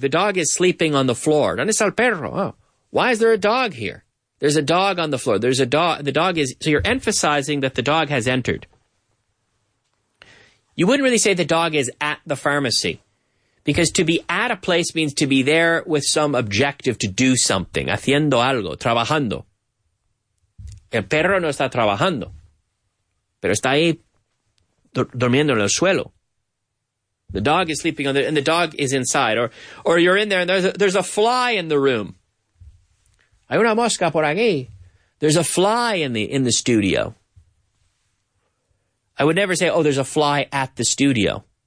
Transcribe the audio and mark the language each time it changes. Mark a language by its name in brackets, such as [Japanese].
[English] The dog is sleeping on the floor. [Spanish] ¿Dónde está el perro? [English] Oh, why is there a dog here? There's a dog on the floor. There's a dog. The dog is, so you're emphasizing that the dog has entered. You wouldn't really say the dog is at the pharmacy, because to be at a place means to be there with some objective to do something. [Spanish] Haciendo algo, trabajando. El perro no está trabajando, pero está ahí durmiendo en el suelo. [English] The dog is sleeping on there, and the dog is inside. Or you're in there, and there's a fly in the room. [Spanish] Hay una mosca por aquí. [English] There's a fly in the studio. I would never say, oh, there's a fly at the studio.